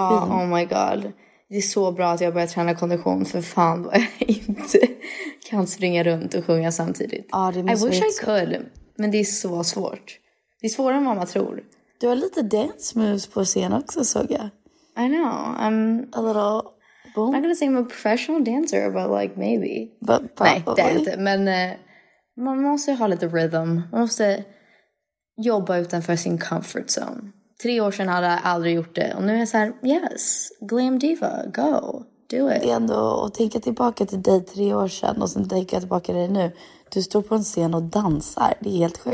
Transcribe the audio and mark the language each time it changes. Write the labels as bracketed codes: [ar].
[en] Ja, oh my god. [sv] Det är så bra att jag börjar träna kondition, för fan vad jag inte kan springa runt och sjunga samtidigt. Ja, det måste [en] I wish I could, [sv] men det är så svårt. Det är svårare än vad man tror. Du har lite dance moves på scen också, såg jag. [en] I know, I'm a little... Boom. I'm not gonna say I'm a professional dancer, but like maybe. But [sv] nej, det är inte. Men man måste ha lite rhythm. Man måste jobba utanför sin comfort zone. 3 år sedan hade jag aldrig gjort det. Och nu är jag så här, [en] yes, glam diva, go, do it. [sv] Det är ändå att tänka tillbaka till dig 3 år sedan och sen tänka tillbaka till dig nu. Du står på en scen och dansar, det är helt sjukt.